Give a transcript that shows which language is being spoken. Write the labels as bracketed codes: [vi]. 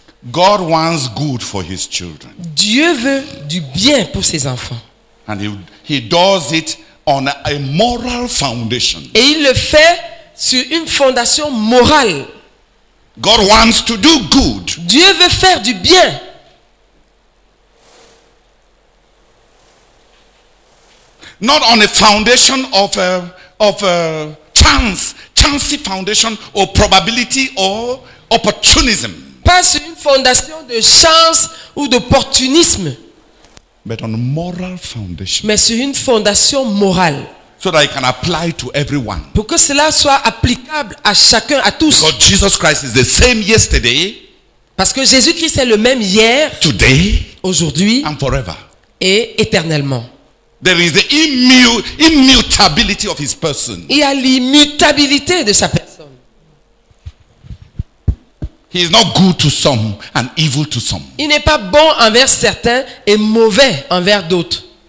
[en] God wants good for his children. [fr] Dieu veut du bien pour ses enfants. [en] And he does it on a moral foundation. [fr] Et il le fait sur une fondation morale. [en] God wants to do good. [fr] Dieu veut faire du bien. [en] Not on a foundation of a chance foundation or probability or opportunism. [fr] Pas sur une fondation de chance ou d'opportunisme. [en] But on a moral foundation. [fr] Mais sur une fondation morale. [en] So that it can apply to everyone. [fr] Pour que cela soit applicable à chacun, à tous. [en] Because Jesus Christ is the same yesterday. [fr] Parce que Jésus-Christ est le même hier. [en] Today. [fr] Aujourd'hui. [en] And forever. [fr] Et éternellement. [en] There is the immutability of his person. [fr] Il y a l'immutabilité de sa personne. [en] He is not good to some and evil to some. [fr] Il n'est pas bon envers certains et mauvais envers d'autres.